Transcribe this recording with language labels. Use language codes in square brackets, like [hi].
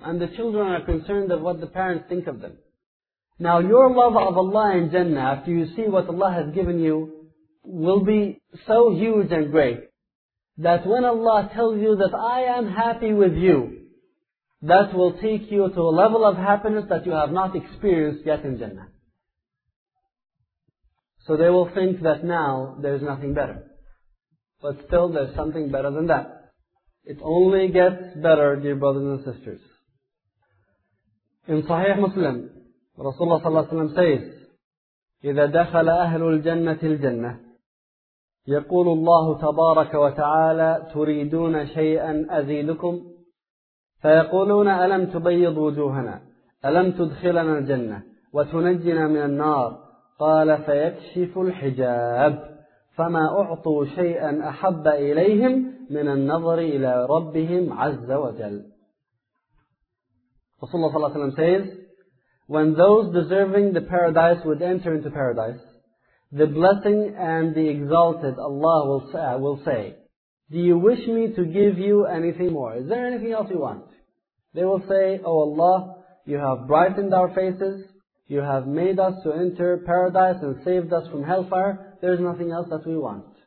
[en] And the children are concerned of what the parents think of them. Now your love of Allah in Jannah, after you see what Allah has given you, will be so huge and great that when Allah tells you that I am happy with you, that will take you to a level of happiness that you have not experienced yet in Jannah. So they will think that now there's nothing better. But still there's something better than that. It only gets better, dear brothers and sisters. In Sahih Muslim, Rasulullah sallallahu alayhi wa sallam says, [ar] إِذَا دَخَلَ أَهْلُ الْجَنَّةِ الْجَنَّةِ يَقُولُ اللَّهُ تَبَارَكَ وَتَعَالَى تُرِيدُونَ شَيْئًا أَزِيدُكُمْ فيقولون ألم تبيض وجوهنا ألم تدخلنا الجنة وتنجينا من النار قال فيكشف الحجاب فما أعطوا شيئا أحب إليهم من النظر إلى ربهم عز وجل. رسول الله صلى الله عليه وسلم [en] says, When those deserving the paradise would enter into paradise, the blessing and the exalted Allah will say, Do you wish me to give you anything more? Is there anything else you want? They will say, O Allah, you have brightened our faces, you have made us to enter paradise and saved us from hellfire, there is nothing else that we want.